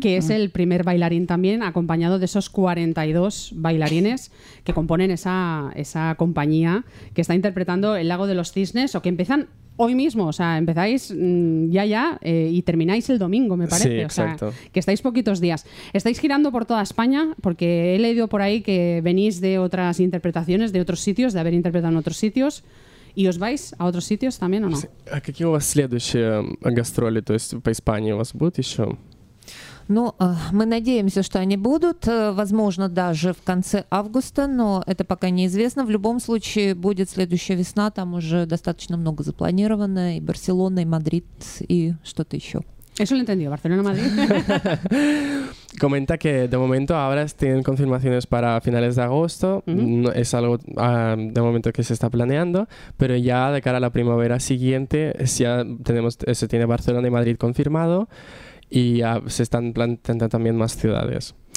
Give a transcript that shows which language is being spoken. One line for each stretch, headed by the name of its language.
Spanish: Que es el primer bailarín también, acompañado de esos 42 bailarines que componen esa compañía que está interpretando El lago de los cisnes, o que empiezan hoy mismo, o sea, empezáis ya y termináis el domingo, me parece. Sí, exacto. O sea, que estáis poquitos días. Estáis girando por toda España, porque he leído por ahí que venís de otras interpretaciones, de otros sitios, de haber interpretado en otros sitios. ¿Y os vais a otros sitios también o no? ¿A qué os
Russian: следующие гастроли, то есть по Испании у вас будет еще? Ну, мы надеемся, что они будут, возможно, даже в конце августа, но это пока неизвестно. В любом случае, будет следующая весна, там уже достаточно много запланировано, и Барселона, и Мадрид, и что-то еще.
Spanish: Eso lo entendió, Barcelona-Madrid. Comenta que de momento ahora tienen confirmaciones para finales de agosto, uh-huh. No, es algo de momento que se está planeando, pero ya de cara a la primavera siguiente ya tenemos, se tiene Barcelona y Madrid confirmado, y se están planteando también más ciudades.